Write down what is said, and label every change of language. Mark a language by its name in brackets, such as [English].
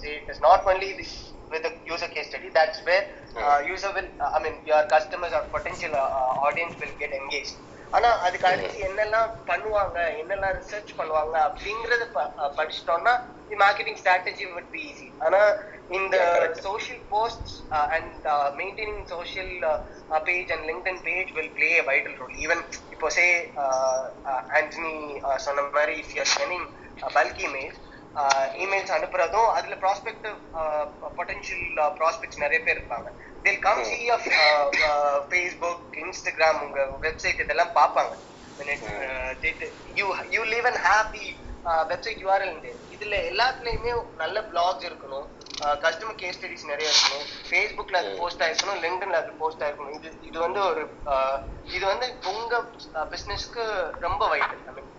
[English] See, it is not only this with the user case study, that's where your customers or potential audience will get engaged. [Tamil] ஆனா அதுக்கு அடுத்து என்னெல்லாம் பண்ணுவாங்க, என்னெல்லாம் research பண்ணுவாங்க அப்படிங்கறத படிச்சிட்டோம்னா [English] The marketing strategy would be easy. [Tamil] ஆனா இந்த [English] Social posts and maintaining social page and LinkedIn page will play a vital role. [Tamil] Even இப்போ சே ஆண்டனி சொன்ன மாதிரி, [English] if you are sending bulk emails [Tamil] அனுப்புறதும், அதுல ப்ராஸ்பெக்ட் பொட்டன்ஷியல் ப்ராஸ்பெக்ட்ஸ் நிறைய பேர் இருப்பாங்க. [English] They'll come see your Facebook, Instagram, website, they'll come see your website. You'll even have the [Tamil] website URL உண்டு. இதுல எல்லாத்துலயுமே நல்ல பிளாக்ஸ் இருக்கணும், கஸ்டமர் கேஸ் ஸ்டடிஸ் நிறைய இருக்கணும், ஃபேஸ்புக்ல அது போஸ்ட் ஆயிருக்கணும், லிங்க்டின்ல அது போஸ்ட் ஆயிருக்கணும். இது இது வந்து ஒரு இது வந்து உங்க பிசினஸ்க்கு ரொம்ப வைட்டல்.